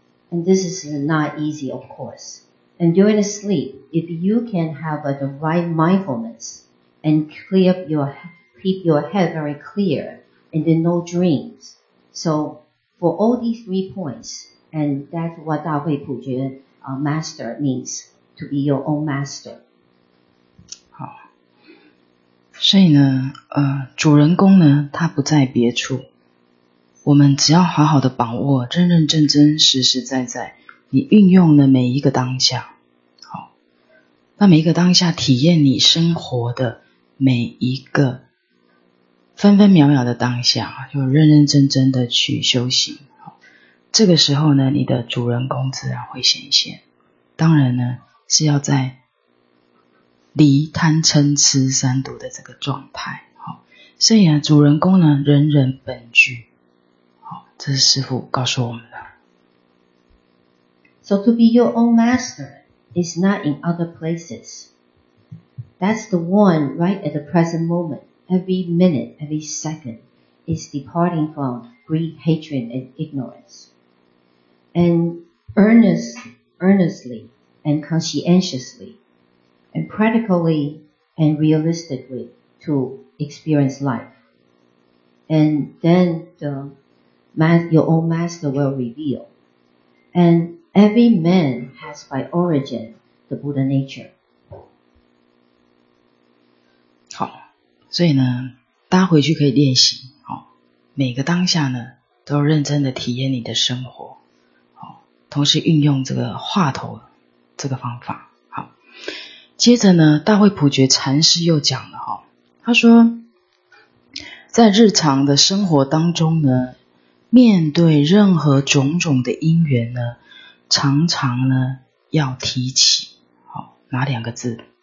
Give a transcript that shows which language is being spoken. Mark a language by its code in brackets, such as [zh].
[en] And this is not easy, of course. And during the sleep, if you can have the right mindfulness and keep your head very clear and then no dreams. So for all these 3 points, and that's what Da Hui Pu Jie Master means, to be your own master. [zh] 好，所以呢，主人公呢，他不在别处。我们只要好好的把握，认认真真，实实在在，你运用了每一个当下，好，那每一个当下体验你生活的每一个分分秒秒的当下，就认认真真的去修行。好，这个时候呢，你的主人公自然会显现。当然呢，是要在离贪嗔痴三毒的这个状态，好，所以啊，主人公呢，人人本具，好，这是师父告诉我们的。 [en] So to be your own master is not in other places. That's the one right at the present moment. Every minute, every second is departing from greed, hatred, and ignorance. And earnestly and conscientiously. And practically and realistically to experience life. And then your own master will reveal. And every man has by origin the Buddha nature. [zh] 好，所以呢，大家回去可以练习，好，每个当下呢，都认真的体验你的生活，好，同时运用这个话头这个方法。接着呢，大慧普觉禅师又讲了，他说在日常的生活当中呢，面对任何种种的因缘呢，常常呢要提起，好，哪两个字？